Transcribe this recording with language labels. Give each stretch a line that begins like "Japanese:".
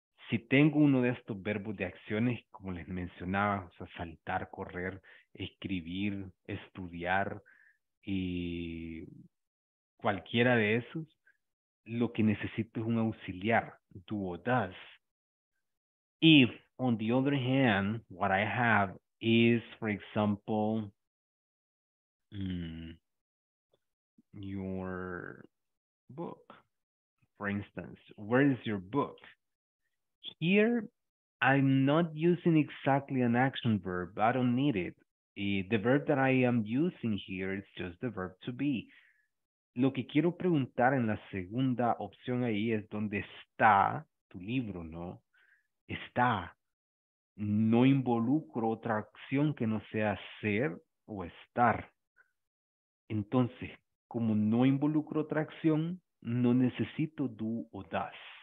Spanish: Si tengo uno de estos verbos de acciones, como les mencionaba, o sea, saltar, correr, escribir, estudiar, y cualquiera de esos, lo que necesito es un auxiliar, do or does.
English: If, on the other hand, what I have is, for example, your book. For instance, where is your book? Here, I'm not using exactly an action verb. I don't need it. The verb that I am using here is just the verb to be.
Spanish: Lo que quiero preguntar en la segunda opción ahí es dónde está tu libro, ¿no? Está. No involucro otra acción que no sea ser o estar. Entonces, como no involucro otra acción, no necesito do o does.